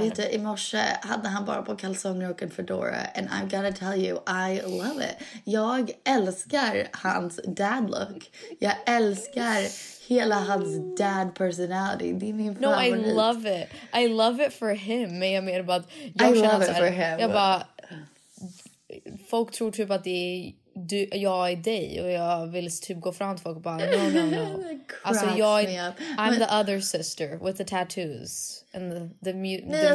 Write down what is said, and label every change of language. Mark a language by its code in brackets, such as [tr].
[sv] Vet du, i morse hade han bara på kalsonger och en fedora. [en] And I've got to tell you, I love it. [sv] Jag älskar hans dad look. Jag älskar... Hela hans dad personality. Det är min favorit. [en] No, I love it. I love it for him. [sv] Men jag menar bara att... [en] I love it for him. [sv] Jag bara... Folk tror typ att det är du, jag är dig och jag vill typ gå fram till folk och bara [en] no, no, no. [sv] Alltså jag är, [en] me up. I'm the other sister with the tattoos and the music.